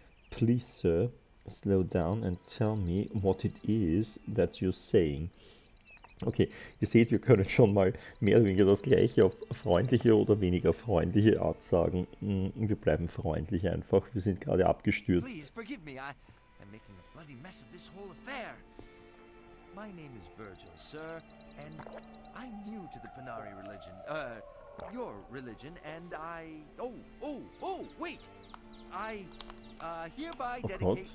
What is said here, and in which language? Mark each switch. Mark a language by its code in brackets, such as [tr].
[en] Please, sir, slow down and tell me what it is that you're saying. [de] Okay, ihr seht, wir können schon mal mehr oder weniger das Gleiche auf freundliche oder weniger freundliche Art sagen. Wir bleiben freundlich einfach. Wir sind gerade abgestürzt. [en] Please forgive me. I'm making a bloody mess of this whole affair. My name is Virgil, sir, and I'm new to the Panari religion. Your religion, and I... Oh, wait! I hereby dedicate...